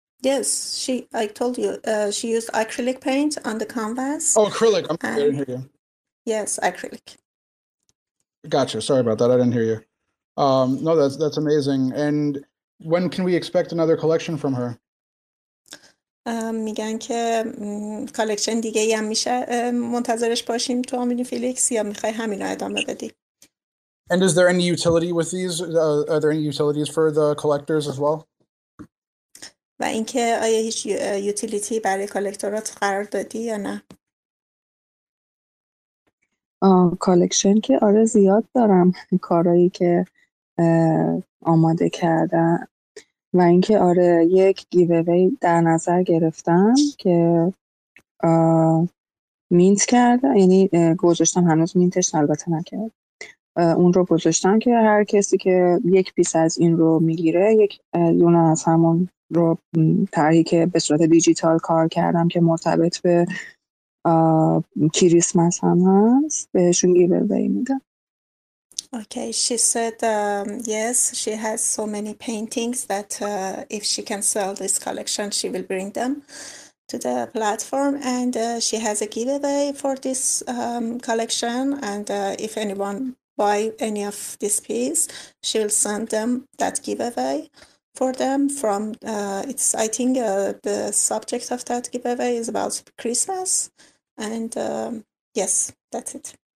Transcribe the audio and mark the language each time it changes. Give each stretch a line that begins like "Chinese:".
English: Yes, she. I told you, she used acrylic paint on the canvas. Oh, acrylic. I'm sorry, I didn't hear you. Yes, acrylic. Gotcha. Sorry about that. I didn't hear you. No, that's amazing. And when can we expect another collection from her?
Persian: میگن که کالکشن دیگه یا میشه منتظرش باشیم تو OmniFlix یا میخوای همینو ادامه بدی.
English: And is there any utility with these? Are there any utilities for the collectors as well?
Persian: و اینکه آیا هیچ utility برای کالکتورات قرار دادی یا نه؟ کالکشن که آره زیاد دارم کارایی که آماده کردم، و اینکه آره یک giveaway در نظر گرفتم که مینت کردم، یعنی گذاشتم، هنوز مینتش البته نکردم، اون رو گذاشتن که هر کسی که یک پیس از این رو میگیره، یک دونه از همون رو طرحی که به صورت دیجیتال کار کردم که مرتبط به کریسمس هم هست، بهشون گیوه وی میدم.
English: Okay, she said yes, she has so many paintings that if she can sell this collection, she will bring them to the platform, and she has a giveaway for this collection, and if anyone buy any of this piece, she'll send them that giveaway for them from it's, I think the subject of that giveaway is about Christmas, and yes, that's it.